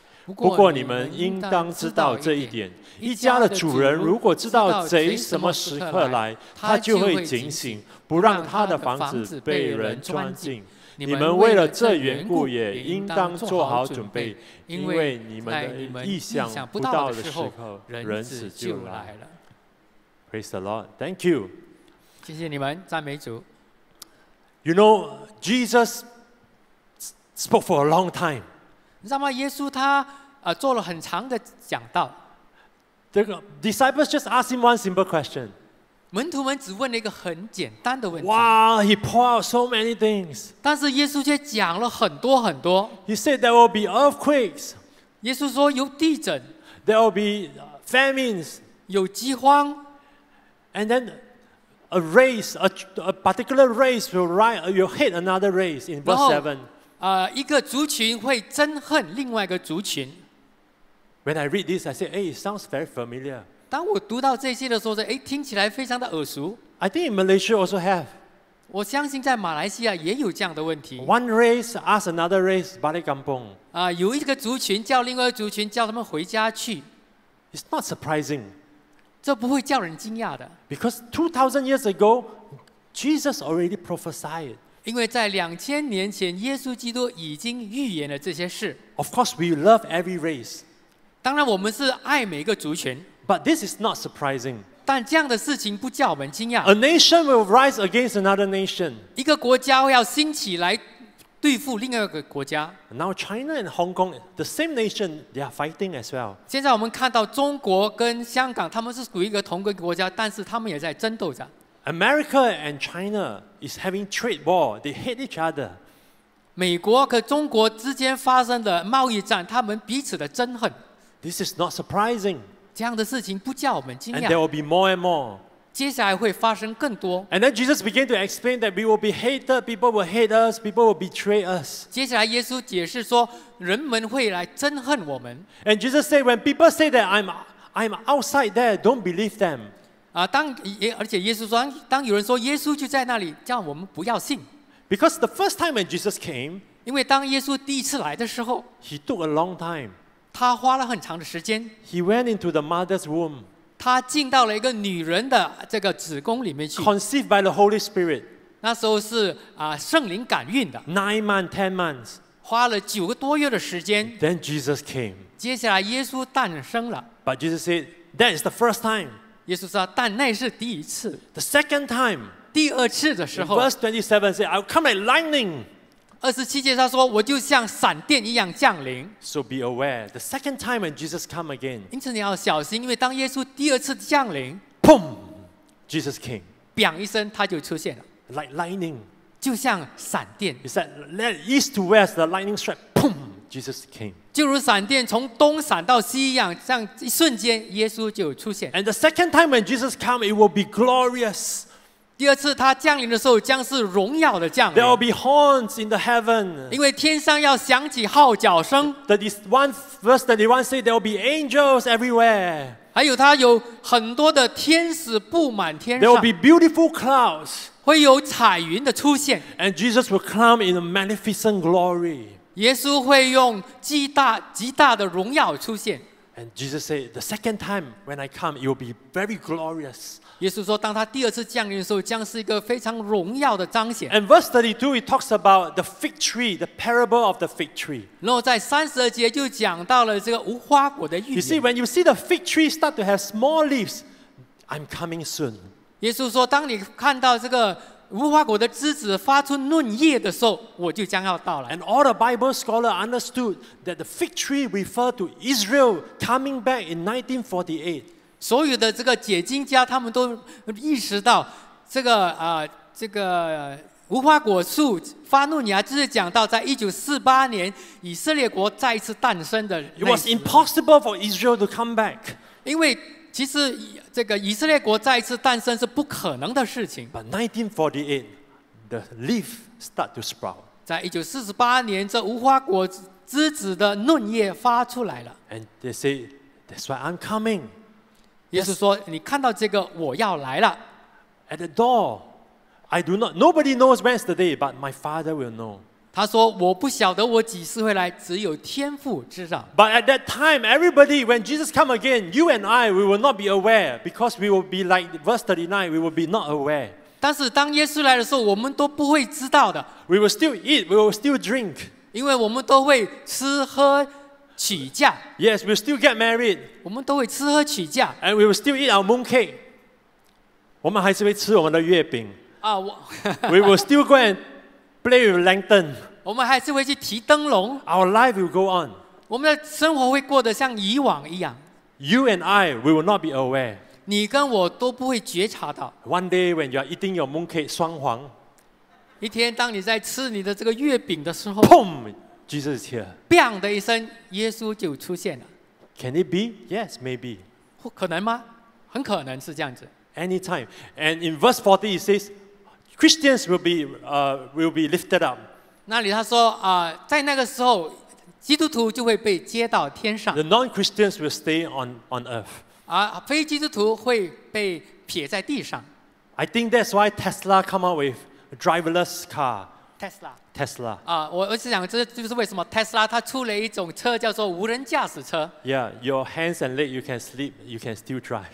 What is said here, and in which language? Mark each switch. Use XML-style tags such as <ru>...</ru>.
<zh>不过你们应当知道这一点，一家的主人如果知道贼什么时刻来，他就会警醒，不让他的房子被人钻进。你们为了这缘故也应当做好准备，因为你们的意想不到的时候，人子就来了。</zh> <en>Praise the Lord. Thank you.</en> <zh>谢谢你们，赞美主。</zh> <en>You know, Jesus spoke for a long time.</en> <zh>你知道吗？耶稣他做了很长的讲道。</zh> <en>The disciples just asked him one simple question.</en> <zh>门徒们只问了一个很简单的问题。</zh> <en>Wow, he poured out so many things.</en> <zh>但是耶稣却讲了很多很多。</zh> <en>He said there will be earthquakes.</en> <zh>耶稣说有地震。</zh> <en>There will be famines.</en> <zh>有饥荒。</zh> <en>And then a particular race will hate another race in verse 7.</en> <zh>一个族群会憎恨另外一个族群。</zh> <en>When I read this, I say, "Hey, it sounds very familiar."</en> <zh>当我读到这些的时候，哎，听起来非常的耳熟。</zh> <en>I think in Malaysia also have.</en> <zh>我相信在马来西亚也有这样的问题。</zh> <en>One race asks another race,</en> <ms>balik kampung.</ms> <zh>啊，有一个族群叫另外一个族群叫他们回家去。</zh> <en>It's not surprising.</en> <zh>这不会叫人惊讶的。</zh> <en>Because 2,000 years ago, Jesus already prophesied.</en> <zh>因为在2000年前，耶稣基督已经预言了这些事。</zh> <en>Of course, we love every race.</en> <zh>当然，我们是爱每个族群。</zh> <en>But this is not surprising.</en> <zh>但这样的事情不叫我们惊讶。</zh> <en>A nation will rise against another nation.</en> <zh>一个国家要兴起来对付另外一个国家。</zh> <en>Now China and Hong Kong, the same nation, they are fighting as well.</en> <zh>现在我们看到中国跟香港，他们是属于一个同一个国家，但是他们也在争斗着。</zh> <en>America and China is having trade war. They hate each other.</en> <zh>美国和中国之间发生的贸易战，他们彼此的憎恨。</zh> <en>This is not surprising.</en> <zh>这样的事情不叫我们惊讶。</zh> <en>And there will be more and more.</en> <zh>接下来会发生更多。</zh> <en>And then Jesus began to explain that we will be hated. People will hate us. People will betray us.</en> <zh>接下来耶稣解释说，人们会来憎恨我们。</zh> <en>And Jesus said, when people say that I'm outside there, don't believe them.</en> <zh>啊，当也而且耶稣说，当有人说耶稣就在那里，叫我们不要信。</zh> <en>Because the first time when Jesus came,</en> <zh>因为当耶稣第一次来的时候</zh> <en>，He took a long time.</en> <zh>他花了很长的时间。</zh> <en>He went into the mother's womb.</en> <zh>他进到了一个女人的这个子宫里面去。</zh> <en>Conceived by the Holy Spirit.</en> <zh>那时候是啊圣灵感孕的。</zh> <en>9 months, 10 months.</en> <zh>花了九个多月的时间。</zh> <en>Then Jesus came.</en> <zh>接下来耶稣诞生了。</zh> <en>But Jesus said, "That is the first time."</en> <zh>耶稣说，但那是第一次。</zh> <en>The second time.</en> <zh>第二次的时候。</zh> <en>Verse 27 says, "I'll come like lightning."</en> <zh>27节他说，我就像闪电一样降临。</zh> <en>So be aware, the second time when Jesus come again.</en> <zh>因此你要小心，因为当耶稣第二次降临</zh> <en>，Boom, Jesus came.</en> <zh>砰一声，他就出现了。</zh> <en>Like lightning.</en> <zh>就像闪电。</zh> <en>He said, "East to west, the lightning strike. Boom, Jesus came."</en> <zh>就如闪电从东闪到西一样，像一瞬间耶稣就出现。</zh> <en>And the second time when Jesus come, it will be glorious.</en> <zh>第二次他降临的时候，将是荣耀的降临。</zh> <en>There will be horns in the heaven.</en> <zh>因为天上要响起号角声。</zh> <en>31 say there will be angels everywhere.</en> <zh>还有他有很多的天使布满天上。</zh> <en>There will be beautiful clouds.</en> <zh>会有彩云的出现。</zh> <en>And Jesus will come in a magnificent glory.</en> <zh>耶稣会用极大的荣耀出现。</zh> <en>And Jesus said, "The second time when I come, it will be very glorious."</en> <zh>耶稣说，当他第二次降临的时候，将是一个非常荣耀的彰显。</zh> <en>And verse 32, it talks about the fig tree, the parable of the fig tree.</en> <zh>然后在32节就讲到了这个无花果的预言。</zh> <en>You see, when you see the fig tree start to have small leaves, I'm coming soon.</en> <zh>耶稣说，当你看到这个无花果的枝子发出嫩叶的时候，我就将要到了。</zh> <en>And all the Bible scholars understood that the fig tree referred to Israel coming back in 1948.</en> <zh>所有的这个解经家他们都意识到，这个无花果树发嫩芽，就是讲到在1948年以色列国再一次诞生的。</zh> <en>It was impossible for Israel to come back.</en> <zh>因为其实这个以色列国再一次诞生是不可能的事情。</zh> <en>But 1948, the leaf start to sprout.</en> <zh>在1948年，这无花果枝子的嫩叶发出来了。</zh> <en>And they say, "That's why I'm coming."</en> <zh>耶稣说，你看到这个，我要来了。</zh> <en>At the door, I do not. Nobody knows when's the day, but my Father will know.</en> <zh>他说，我不晓得我几时会来，只有天父知道。</zh> <en>But at that time, everybody, when Jesus come again, you and I, we will not be aware, because we will be like verse 39, we will be not aware.</en> <zh>但是当耶稣来的时候，我们都不会知道的。</zh> <en>We will still eat, we will still drink.</en> <zh>因为我们都会吃喝取价。</zh> <en>Yes, we will still get married.</en> <zh>我们都会吃喝取价。</zh> <en>And we will still eat our mooncake.</en> <zh>我们还是会吃我们的月饼。</zh> <en>We will still go and play with lantern.</en> <zh>我们还是会去提灯笼。</zh> <en>Our life will go on.</en> <zh>我们的生活会过得像以往一样。</zh> <en>You and I, we will not be aware.</en> <zh>你跟我都不会觉察到。</zh> <en>One day when you are eating your mooncake,</en> <zh>双黄。一天当你在吃你的这个月饼的时候。</zh> <en>Boom! Jesus is here.</en> <zh>砰的一声，耶稣就出现了。</zh> <en>Can it be? Yes, maybe.</en> <zh>可能吗？很可能是这样子。</zh> <en>Anytime. And in verse 40, it says,Christians will be lifted up.</en> <zh>那里他说在那个时候，基督徒就会被接到天上。</zh> <en>The non-Christians will stay on earth.</en> <zh>而非基督徒会被撇在地上。</zh> <en>I think that's why Tesla come out with a driverless car. Tesla. 啊，</en> <zh>我是想，这就是为什么 Tesla 它出了一种车叫做无人驾驶车。</zh> <en>Yeah, your hands and leg, you can sleep, you can still drive.</en>